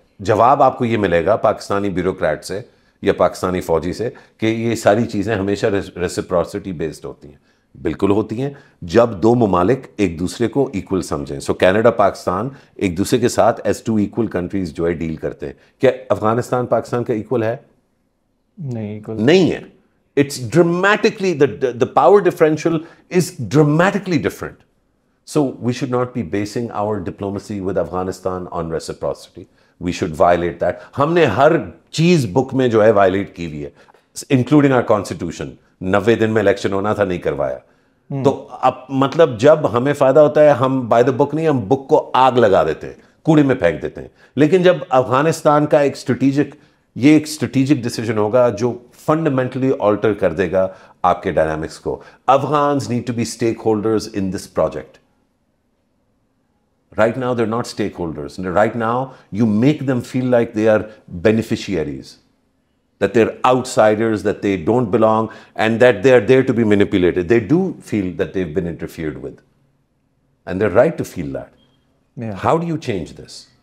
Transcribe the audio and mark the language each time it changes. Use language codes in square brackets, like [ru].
[ur] جواب آپ کو یہ ملے گا پاکستانی بیوروکریٹ سے یا پاکستانی فوجی سے کہ یہ ساری چیزیں ہمیشہ ریسیپروسٹی بیسڈ ہوتی ہیں. بالکل ہوتی ہیں جب دو ممالک ایک دوسرے کو ایکول سمجھیں. سو کینیڈا پاکستان ایک دوسرے کے ساتھ [en] as to equal countries [ur] جو ہے ڈیل کرتے ہیں. کیا افغانستان پاکستان کا ایکول ہے؟ نہیں ہے. [en] It's dramatically the power differential is dramatically different. So we should not be basing our diplomacy with Afghanistan on reciprocity. We should violate that. [ur] ہم نے ہر چیز بک میں جو ہے وائلیٹ کی ہوئی ہے, [en] Including our constitution. [ur] 90 days میں الیکشن ہونا تھا, نہیں کروایا. تو اب مطلب جب ہمیں فائدہ ہوتا ہے ہم [en] buy the book [ur] نہیں, ہم بک کو آگ لگا دیتے ہیں, کوڑے میں پھینک دیتے ہیں. لیکن جب افغانستان کا ایک اسٹریٹجک, یہ ایک اسٹریٹجک ڈیسیجن ہوگا جو فنڈامنٹلی آلٹر کر دے گا آپ کے ڈائنامکس کو. [en] Afghans need to be stakeholders in this project. Right now they are not stakeholders. Right now you make them feel like they are beneficiaries, that they're outsiders, that they don't belong, and that they are there to be manipulated. They do feel that they've been interfered with, and they're right to feel that. Yeah. How do you change this?